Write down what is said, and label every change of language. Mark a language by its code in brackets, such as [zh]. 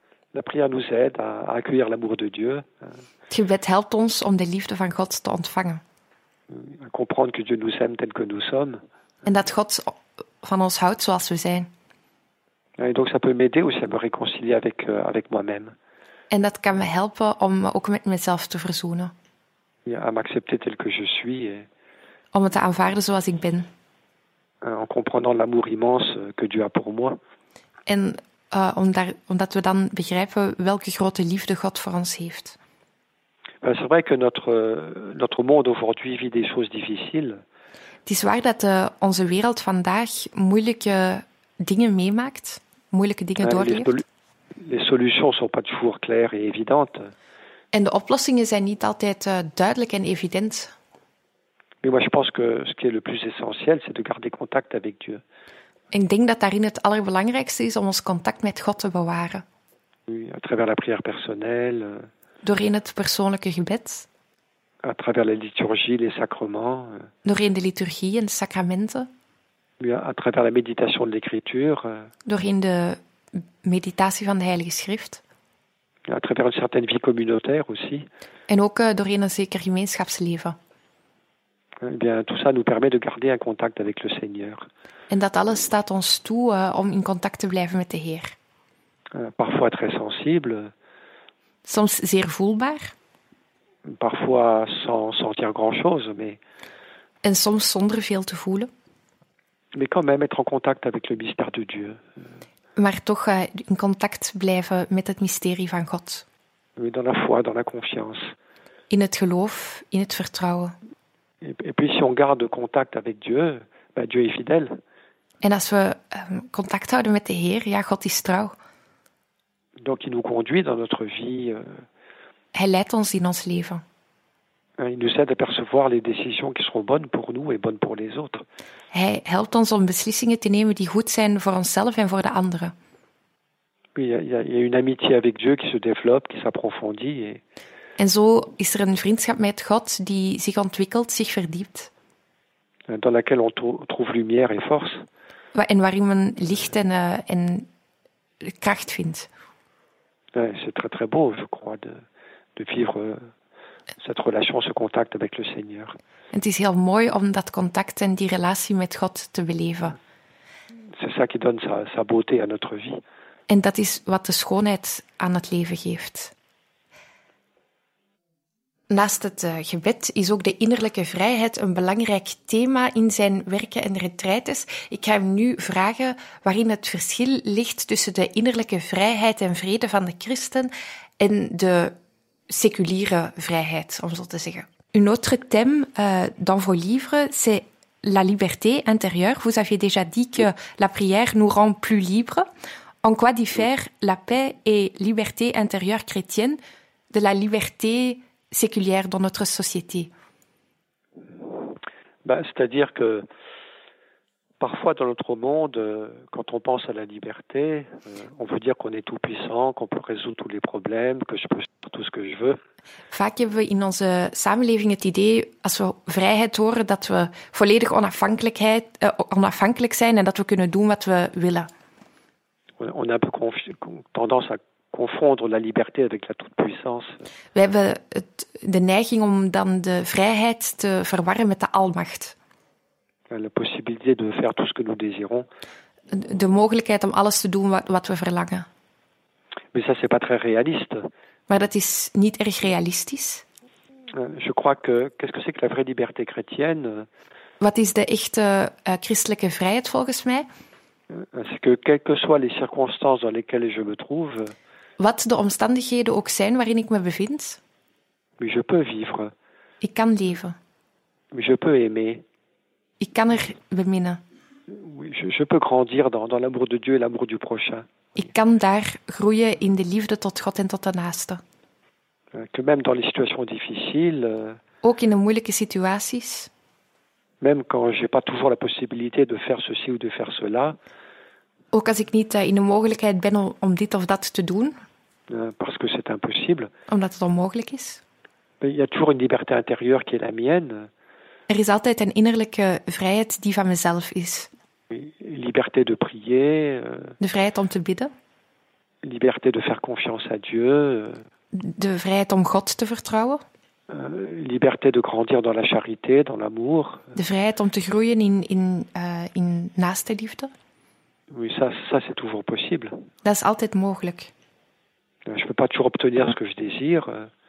[fr] La prière nous aide à accueillir l'amour de Dieu. [nl] Het gebed helpt ons om de liefde van God te ontvangen. [fr] À comprendre que Dieu nous aime tel que nous sommes. [nl] En dat God van ons houdt zoals we zijn. [fr] Et donc ça peut m'aider aussi à me réconcilier avec moi-même. [nl] En dat kan me helpen om me ook met mezelf te verzoenen. [fr] Ja, à m'accepter tel que je suis. [nl] Om me te aanvaarden zoals ik ben. [fr] En comprenant l'amour immense que Dieu a pour moi. [nl] En omdat we dan begrijpen welke grote liefde God voor ons heeft. [fr] Ben, c'est vrai que notre monde aujourd'hui vit des choses difficiles. [nl] Het is waar dat onze wereld vandaag moeilijke dingen meemaakt, moeilijke dingen doorleeft. [fr] Les solutions sont pas toujours claires et évidentes. [nl] En de oplossingen zijn niet altijd duidelijk en evident. [fr] Mais moi je pense que ce qui est le plus essentiel, c'est de garder contact avec Dieu. [nl] Ik denk dat daarin het allerbelangrijkste is om ons contact met God te bewaren. [fr] Oui, à travers la prière personnelle. [nl] Doorheen het persoonlijke gebed. [fr] À travers la liturgie, les sacrements. [nl] Doorheen de liturgie en de sacramenten. [fr] À travers la méditation de l'écriture. [nl] Doorheen de meditatie van de Heilige Schrift. [fr] À travers une certaine vie communautaire aussi. [nl] En ook doorheen een zeker gemeenschapsleven. [fr] Eh bien, tout ça nous permet de garder un contact avec le Seigneur. [nl] En dat alles staat ons toe om in contact te blijven met de Heer. [fr] Parfois très sensible. [nl] Soms zeer voelbaar. [fr] Parfois sans sentir grand-chose, mais... [nl] En soms zonder veel te voelen. [fr] Mais quand même être en contact avec le mystère de Dieu. [nl] Maar toch in contact blijven met het mysterie van God. [fr] Oui, dans la foi, dans la confiance. [nl] In het geloof, in het vertrouwen. [fr] Et puis si on garde contact avec Dieu, ben Dieu est fidèle. [nl] En als we contact houden met de Heer, ja, God is trouw. [fr] Donc il nous conduit dans notre vie. [nl] Hij leidt ons in ons leven. [fr] Il nous aide à percevoir les décisions qui seront bonnes pour nous et bonnes pour les autres. [nl] Hij helpt ons om beslissingen te nemen die goed zijn voor onszelf en voor de anderen. [fr] Il y a une amitié avec Dieu qui se développe, qui s'approfondit. Et... [nl] En zo is er een vriendschap met God die zich ontwikkelt, zich verdiept. [fr] Dans laquelle on trouve lumière et force. [nl] En waarin men licht en kracht vindt. [fr] Ouais, c'est très très beau, je crois, de vivre... cette relation, ce contact avec le Seigneur. [nl] Het is heel mooi om dat contact en die relatie met God te beleven. [fr] C'est ça qui donne sa beauté à notre vie. [nl] En dat is wat de schoonheid aan het leven geeft. Naast het gebed is ook de innerlijke vrijheid een belangrijk thema in zijn werken en retraites. Ik ga hem nu vragen waarin het verschil ligt tussen de innerlijke vrijheid en vrede van de christen en de séculière vrijheid, om zo te zeggen. [fr] Un autre thème dans vos livres, c'est la liberté intérieure. Vous aviez déjà dit que la prière nous rend plus libres. En quoi diffère la paix et liberté intérieure chrétienne de la liberté séculière dans notre société? C'est-à-dire que parfois dans notre monde, quand on pense à la liberté, on veut dire qu'on est tout puissant, qu'on peut résoudre tous les problèmes, que je peux faire tout ce que je veux. [nl] Vaak hebben we in onze samenleving het idee, als we vrijheid horen, dat we volledig onafhankelijk zijn en dat we kunnen doen wat we willen. [fr] On a un peu tendance à confondre la liberté avec la toute-puissance. [nl] We hebben de neiging om dan de vrijheid te verwarren met de almacht. [fr] La possibilité de faire tout ce que nous désirons. [nl] De mogelijkheid om alles te doen wat we verlangen. [fr] Mais ça, c'est pas très réaliste. [nl] Maar dat is niet erg realistisch. [fr] Je crois que, qu'est-ce que c'est que la vraie liberté chrétienne? [nl] Wat is de echte christelijke vrijheid volgens mij? [fr] C'est que, quelles que soient les circonstances dans lesquelles je me trouve. [nl] Wat de omstandigheden ook zijn waarin ik me bevind. [fr] Mais je peux vivre. [nl] Ik kan leven. [fr] Mais je peux aimer. [nl] Ik kan er beminnen. [fr] Oui, je peux grandir dans l'amour de Dieu et l'amour du prochain. [nl] Ik kan daar groeien in de liefde tot God en tot de naaste. [fr] Que même dans les situations difficiles. [nl] Ook in de moeilijke situaties. [fr] Même quand j'ai pas toujours la possibilité de faire ceci ou de faire cela. [nl] Ook als ik niet in de mogelijkheid ben om dit of dat te doen. [fr] Parce que c'est impossible. [nl] Omdat het onmogelijk is. [fr] Mais il y a toujours une liberté intérieure qui est la mienne. [nl] Er is altijd een innerlijke vrijheid die van mezelf is. [fr] Liberté de prier. [nl] De vrijheid om te bidden. [fr] Liberté de faire confiance à Dieu. [nl] De vrijheid om God te vertrouwen. [fr] Liberté de grandir dans la charité, dans l'amour. [nl] De vrijheid om te groeien in naastenliefde. [fr] Oui, ça c'est toujours possible. [nl] Dat is altijd mogelijk. [fr] Je peux pas toujours obtenir ce que je désire.